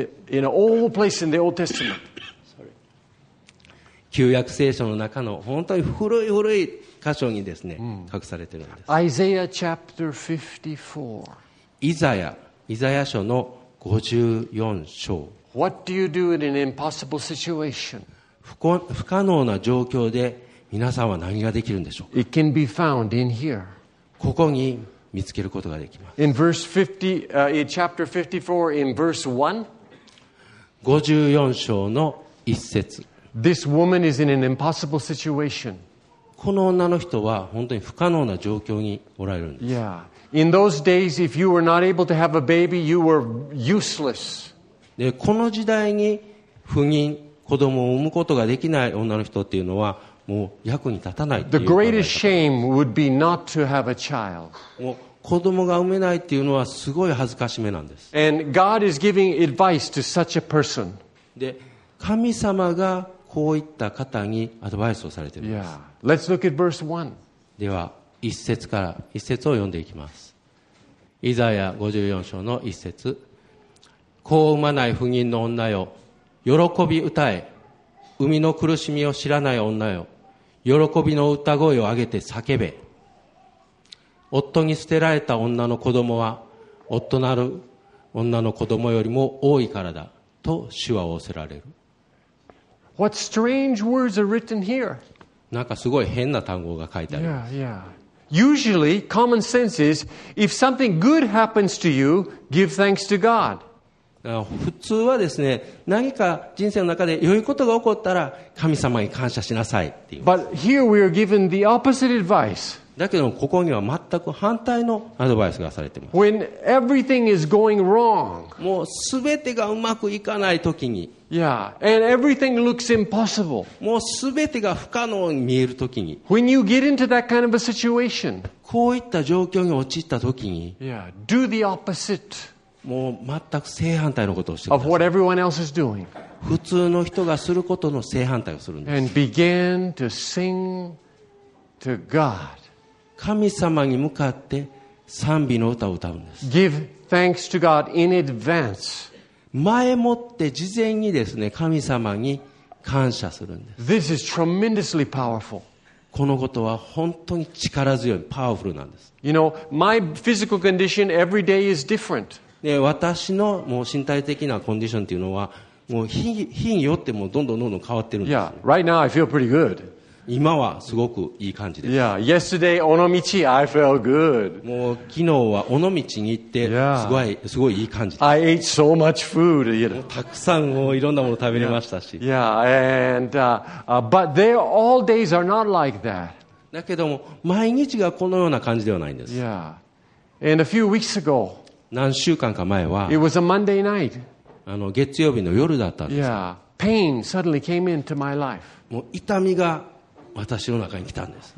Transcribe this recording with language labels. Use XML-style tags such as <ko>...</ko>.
<en>In an old place in the Old Testament. Sorry.</en> <ja>旧約聖書の中の本当に古い古い箇所にですね、隠されているんです。</ja> <en>Isaiah chapter 54.</en> <ja>イザヤ書の54章。</ja> <en>What do you do in an impossible situation?</en> <ja>不可能な状況で皆さんは何ができるんでしょうか。</ja> <en>It can be found in here.</en> <ja>ここに見つけることができます。</ja> <en>In verse 50, in chapter 54, in verse 1,</en> <ja>54章の一節。</ja> <en>This woman is in an impossible situation.</en> <ja>この女の人は本当に不可能な状況におられるんです。</ja> <en>Yeah. In those days, if you were not able to have a baby, you were useless.</en> <ja>で、この時代に不妊、子供を産むことができない女の人っていうのは、もう役に立たないっていう。子供が産めないっていうのはすごい恥ずかしめなんです。</ja> <en>And God is giving advice to such a person.</en> <ja>で、神様がこういった方にアドバイスをされています。</ja> <en>Yeah. Let's look at verse 1.</en> <ja>では一節から一節を読んでいきます。イザヤ54章の一節。子を産まない不妊の女よ、喜び歌え。生みの苦しみを知らない女よ、喜びの歌声を上げて叫べ。夫に捨てられた女の子供は夫なる女の子供よりも多いからだと主は仰せられる。</ja> <en>What strange words are written here?</en> <ja>なんかすごい変な単語が書いてあります。</ja> <en>Yeah, yeah. Usually, common sense is if something good happens to you, give thanks to God.</en> <ja>普通はですね、何か人生の中で良いことが起こったら神様に感謝しなさいって言います。</ja> <en>But here we are given the opposite advice.</en> <ja>だけどここには全く反対のアドバイスがされています。</ja> <en>When everything is going wrong.</en> <ja>もう全てがうまくいかない時に。</ja> <en>Yeah, and everything looks impossible.</en> <ja>もう全てが不可能に見える時に。</ja> <en>When you get into that kind of a situation.</en> <ja>こういった状況に陥った時に。</ja> <en>Yeah, do the opposite.</en> <ja>もう全く正反対のことをしてください。</ja> <en>Of what everyone else is doing.</en> <ja>普通の人がすることの正反対をするんです。</ja> <en>And begin to sing to God.</en> <ja>神様に向かって賛美の歌を歌うんです。</ja> <en>Give thanks to God in advance.</en> <ja>前もって事前にですね、神様に感謝するんです。</ja> <en>This is tremendously powerful.</en> <ja>このことは本当に力強い、パワフルなんです。</ja> <en>You know, my physical condition every day is different.</en> <ja>私のもう身体的なコンディションというのは、もう日によってもどんどんどんどん変わってるんです。</ja> <en>Yeah, right now I feel pretty good.</en> <ja>今はすごくいい感じです。</ja> <en>Yeah, yesterday 尾道 I felt good.</en> <ja>もう昨日は尾道に行ってすごいいい感じです。</ja> <en>I ate so much food. You know.</en> <ja>たくさんもういろんなもの食べれましたし。</ja> <en>Yeah, and but there all days are not like that.</en> <ja>だけども毎日がこのような感じではないんです。</ja> <en>Yeah, and a few weeks ago.</en> <ja>何週間か前は。</ja> <en>It was a Monday night.</en> <ja>月曜日の夜だったんです。</ja> <en>Yeah, pain suddenly came into my life.</en> <ja>もう痛みが私の中に来たんです。</ja>